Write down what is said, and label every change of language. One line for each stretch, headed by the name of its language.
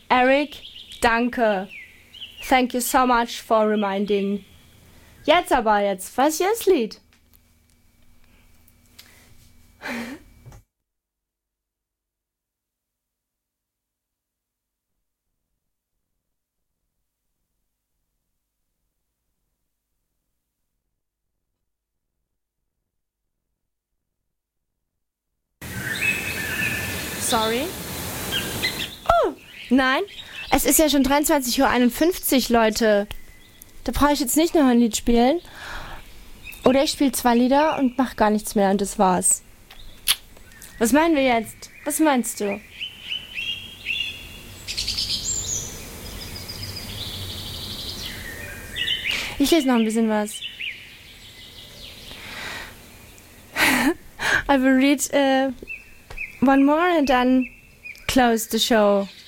German: Eric, danke.
English: Thank you so much for reminding.
German: Jetzt aber, jetzt, was ist das Lied? Sorry. Oh, nein. Es ist ja schon 23.51 Uhr, Leute. Da brauche ich jetzt nicht noch ein Lied spielen. Oder ich spiele 2 Lieder und mache gar nichts mehr und das war's. Was meinen wir jetzt? Was meinst du? Ich lese noch ein bisschen was.
English: I will read one more and then close the show.